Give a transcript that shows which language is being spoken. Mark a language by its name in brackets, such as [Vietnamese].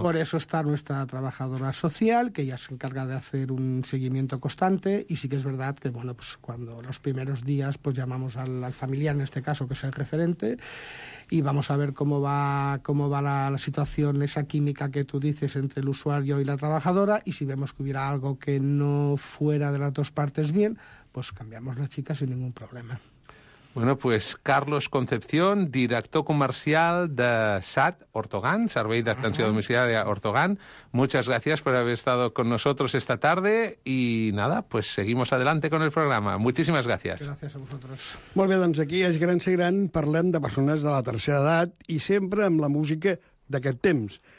[Spanish] Por eso está nuestra trabajadora social, que ella se encarga de hacer un seguimiento constante, y sí que es verdad que, bueno, pues cuando los primeros días pues llamamos al familiar, en este caso, que es el referente, y vamos a ver cómo va la situación, esa química que tú dices entre el usuario y la trabajadora, y si vemos que hubiera algo que no fuera de las dos partes bien, pues cambiamos la chica sin ningún problema. Bueno, pues Carlos Concepción, director comercial de SAT Ortogan, Servei d'Atenció Domiciliària Ortogan. Muchas gracias por haber estado con nosotros esta tarde y nada, pues seguimos adelante con el programa. Muchísimas gracias. Gracias a vosotros. [Catalan] Molt bé, doncs aquí és Gran Segrán, parlem de persones de la tercera edat i sempre amb la música d'aquest temps.